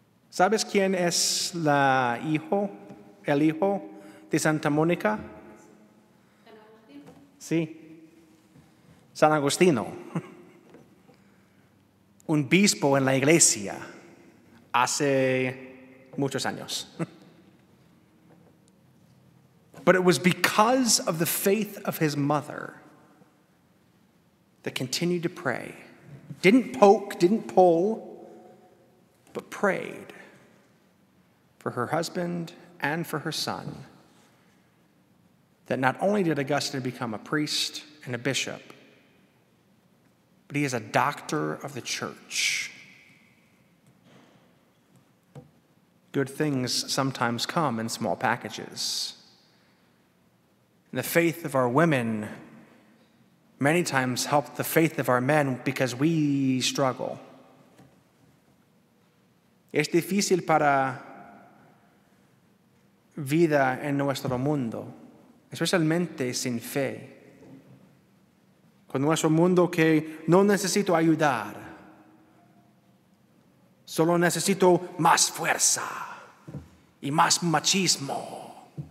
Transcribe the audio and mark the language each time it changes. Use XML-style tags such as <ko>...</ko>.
<es>¿Sabes quién es el hijo de Santa Mónica? Sí. San Agustino, un obispo en la iglesia hace muchos años.</es> <en>But it was because of the faith of his mother that continued to pray. Didn't poke, didn't pull, but prayed for her husband and for her son, that not only did Augustine become a priest and a bishop, but he is a doctor of the church. Good things sometimes come in small packages. And the faith of our women many times helped the faith of our men because we struggle.</en> <es>Es difícil para vida en nuestro mundo, especialmente sin fe. Con nuestro mundo que no necesito ayudar, solo necesito más fuerza y más machismo.</es>